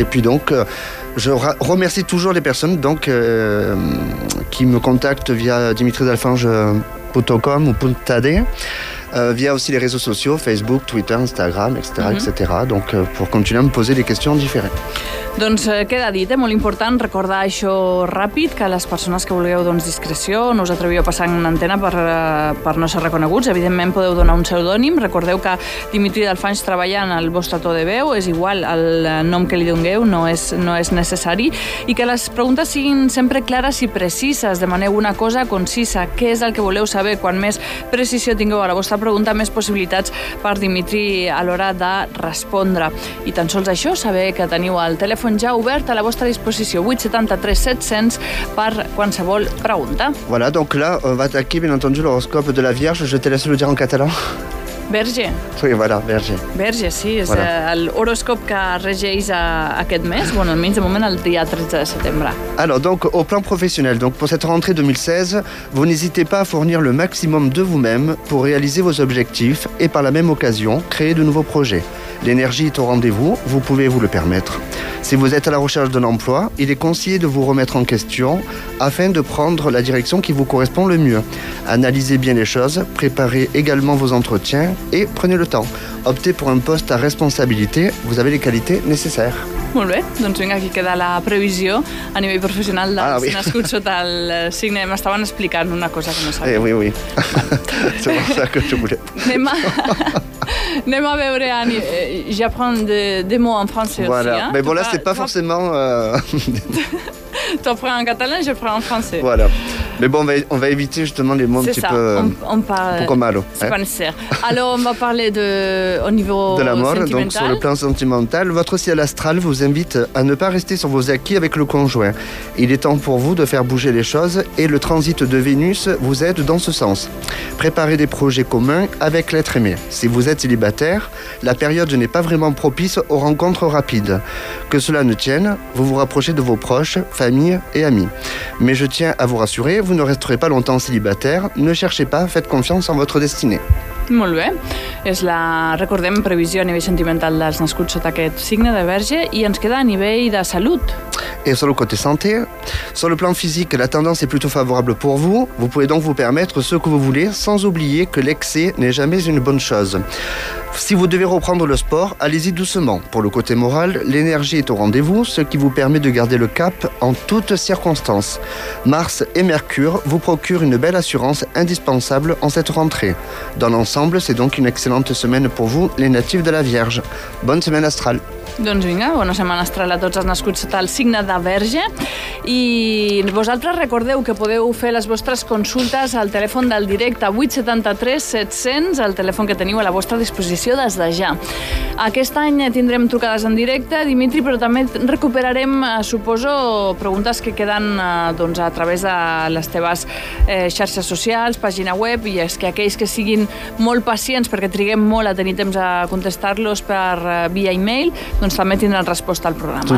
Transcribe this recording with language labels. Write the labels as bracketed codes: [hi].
[fr] Et puis donc, je remercie toujours les personnes donc, qui me contactent via dimitridalfange.com ou .tade, via aussi les réseaux sociaux, Facebook, Twitter, Instagram, etc. Mm-hmm. etc. donc, pour continuer à me poser des questions différentes. [ca] Doncs queda dit, molt important recordar això ràpid, que les persones que vulgueu doncs, discreció, no us atreviu a passar en antena per no ser reconeguts, evidentment podeu donar un pseudònim, recordeu que Dimitri d'Alfanj treballa en el vostre to de veu, és igual el nom que li dongueu, no és necessari, i que les preguntes siguin sempre clares i precises, demaneu una cosa concisa, què és el que voleu saber, quan més precisió tingueu a la vostra pregunta, més possibilitats per Dimitri a l'hora de respondre. I tan sols això, saber que teniu el telèfon ja obert a la vostra disposició, 873-700, per qualsevol pregunta. [fr] Voilà, donc là, on va attaquer, bien entendu, l'horoscope de la Vierge. Je te laisse le dire en catalan. [ca] Verge. Sí, voilà, Verge. Verge, sí, és voilà. L'horòscop que regeix aquest mes, bueno, almenys de moment el dia 13 de setembre. [fr] Alors, donc, au plan professionnel, donc, pour cette rentrée 2016, vous n'hésitez pas à fournir le maximum de vous-même pour réaliser vos objectifs et par la même occasion, créer de nouveaux projets. L'énergie est au rendez-vous, vous pouvez vous le permettre. Si vous êtes à la recherche d'un emploi, il est conseillé de vous remettre en question afin de prendre la direction qui vous correspond le mieux. Analysez bien les choses, préparez également vos entretiens et prenez le temps. Optez pour un poste à responsabilité, vous avez les qualités nécessaires. [ca] Molt bé, doncs vinga, aquí queda la previsió a nivell professional dels nascuts sota el signe. M'estaven explicant una cosa que no sabia. [fr] Oui. C'est pour ça que je voulais. [ca] Anem a veure, Ani. [fr] J'apprends des mots en français voilà. Aussi. Voilà, mais bon, là, c'est pas forcément... Tu apprends en catalan, je apprends en français. Voilà. Mais bon, on va éviter justement les mots c'est un petit ça. Peu... On parle... Pourquoi malo. C'est pas nécessaire. Alors, on va parler de... au niveau de l'amour, donc sur le plan sentimental. Votre ciel astral vous invite à ne pas rester sur vos acquis avec le conjoint. Il est temps pour vous de faire bouger les choses et le transit de Vénus vous aide dans ce sens. Préparez des projets communs avec l'être aimé. Si vous êtes célibataire, la période n'est pas vraiment propice aux rencontres rapides. Que cela ne tienne, vous vous rapprochez de vos proches, famille et amis. Mais je tiens à vous rassurer, vous ne resterez pas longtemps célibataire, ne cherchez pas, faites confiance en votre destinée. [ca] Molt bé, és la, recordem, previsió a nivell sentimental dels nascuts sota aquest signe de Verge i ens queda a nivell de salut. [fr] Et sur le côté santé, sur le plan physique, la tendance est plutôt favorable pour vous. Vous pouvez donc vous permettre ce que vous voulez, sans oublier que l'excès n'est jamais une bonne chose. Si vous devez reprendre le sport, allez-y doucement. Pour le côté moral, l'énergie est au rendez-vous, ce qui vous permet de garder le cap en toutes circonstances. Mars et Mercure vous procurent une belle assurance indispensable en cette rentrée. Dans l'ensemble, c'est donc une excellente semaine pour vous, les natifs de la Vierge. Bonne semaine astrale. [ca] Doncs vinga, bona setmana astral a tots els nascuts sota el signe de Verge. I vosaltres recordeu que podeu fer les vostres consultes al telèfon del directe 873-700, el telèfon que teniu a la vostra disposició des de ja. Aquest any tindrem trucades en directe, Dimitri, però també recuperarem, suposo, preguntes que queden doncs, a través de les teves xarxes socials, pàgina web, i és que aquells que siguin molt pacients, perquè triguem molt a tenir temps a contestar-los per via e-mail, [fr] donc ça mettra une réponse au programme.